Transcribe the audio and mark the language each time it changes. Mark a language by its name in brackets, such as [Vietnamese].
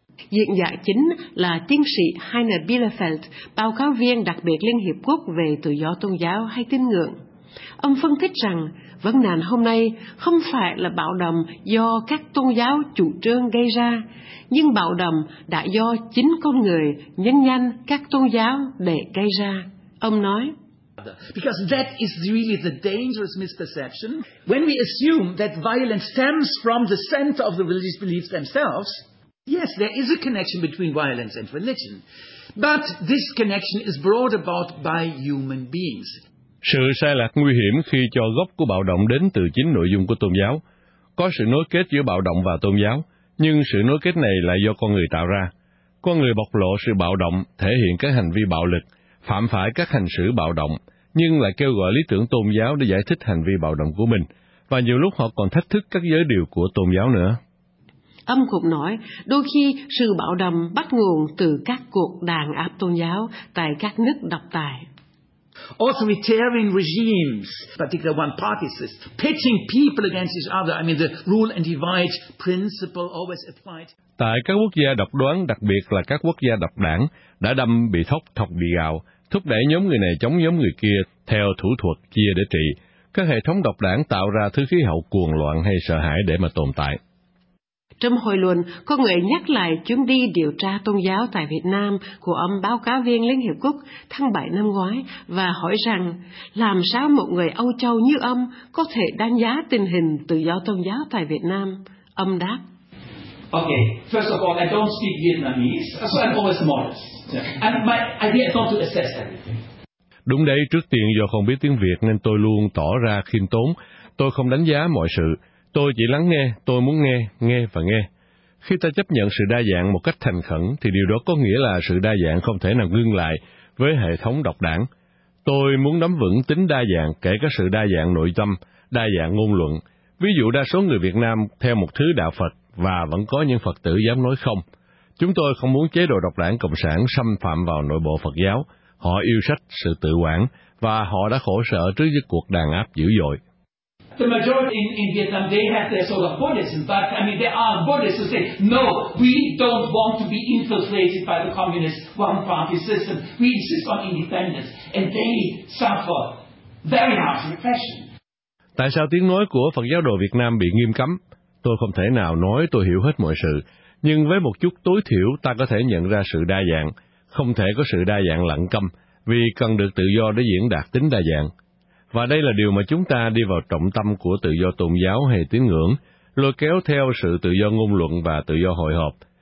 [Vietnamese] Diễn giả chính là tiến sĩ Heiner Bielefeld, báo cáo viên đặc biệt Liên Hiệp Quốc về tự do tôn giáo hay tín ngưỡng. Ông phân tích rằng vấn nạn hôm nay không phải là bạo động do các tôn giáo chủ trương gây ra, nhưng bạo động đã do chính con người nhân danh các tôn giáo để gây ra. Ông nói. [English] Because that is really the dangerous misperception. When we assume that violence stems from the center of the religious beliefs themselves, yes, there is a connection between violence and religion, but this connection is brought about by human beings. [Vietnamese] Sự sai lạc nguy hiểm khi cho gốc của bạo động đến từ chính nội dung của tôn giáo. Có sự nối kết giữa bạo động và tôn giáo, nhưng sự nối kết này lại do con người tạo ra. Con người bộc lộ sự bạo động, thể hiện các hành vi bạo lực, phạm phải các hành xử bạo động, nhưng lại kêu gọi lý tưởng tôn giáo để giải thích hành vi bạo động của mình, và nhiều lúc họ còn thách thức các giới điều của tôn giáo nữa. Ông cũng nói, đôi khi sự bạo động bắt nguồn từ các cuộc đàn áp tôn giáo tại các nước độc tài. [English] Authoritarian regimes, particularly one-party system, pitting people against each other. I mean, the rule and divide principle always applied. [Vietnamese] Tại các quốc gia độc đoán, đặc biệt là các quốc gia độc đảng, đã đâm bị thóc, thọc bị gạo, thúc đẩy nhóm người này chống nhóm người kia theo thủ thuật chia để trị. Các hệ thống độc đảng tạo ra thứ khí hậu cuồng loạn hay sợ hãi để mà tồn tại. Trong hồi luận, có người nhắc lại chuyến đi điều tra tôn giáo tại Việt Nam của ông báo cáo viên Liên Hiệp Quốc tháng 7 năm ngoái và hỏi rằng làm sao một người Âu Châu như ông có thể đánh giá tình hình tự do tôn giáo tại Việt Nam. Ông đáp. Okay, first of all, I don't speak Vietnamese, so I'm always modest. And my idea is not to assess everything. Đúng đấy, trước tiên do không biết tiếng Việt nên tôi luôn tỏ ra khiêm tốn. Tôi không đánh giá mọi sự. Tôi chỉ lắng nghe, tôi muốn nghe, nghe và nghe. Khi ta chấp nhận sự đa dạng một cách thành khẩn, thì điều đó có nghĩa là sự đa dạng không thể nào ngưng lại với hệ thống độc đảng. Tôi muốn nắm vững tính đa dạng, kể cả sự đa dạng nội tâm, đa dạng ngôn luận. Ví dụ đa số người Việt Nam theo một thứ đạo Phật và vẫn có những Phật tử dám nói không. Chúng tôi không muốn chế độ độc đảng cộng sản xâm phạm vào nội bộ Phật giáo. Họ yêu sách sự tự quản và họ đã khổ sở trước những cuộc đàn áp dữ dội. [English] The majority in Vietnam, they have their sort of Buddhism, but I mean, there are Buddhists who say, no, we don't want to be infiltrated by the communist one-party system. We insist on independence, and they suffer very harsh repression. [Vietnamese] Tại sao tiếng nói của Phật giáo đồ Việt Nam bị nghiêm cấm? Tôi không thể nào nói tôi hiểu hết mọi sự, nhưng với một chút tối thiểu ta có thể nhận ra sự đa dạng. Không thể có sự đa dạng lặng câm, vì cần được tự do để diễn đạt tính đa dạng. Và đây là điều mà chúng ta đi vào trọng tâm của tự do tôn giáo hay tín ngưỡng, lôi kéo theo sự tự do ngôn luận và tự do hội họp.